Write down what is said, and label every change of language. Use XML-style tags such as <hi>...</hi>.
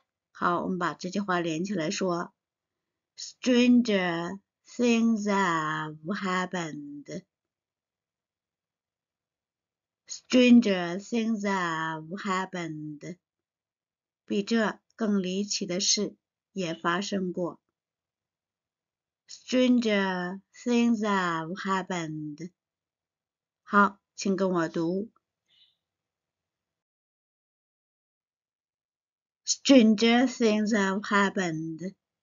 <zh>好，我们把这句话连起来说 ,</zh> <en>Stranger things have happened. Stranger things have happened.</en> <zh>比这更离奇的事也发生过。</zh> <en>Stranger things have happened.</en> <zh>好，请跟我读。</zh> <en>Stranger things have happened.</en>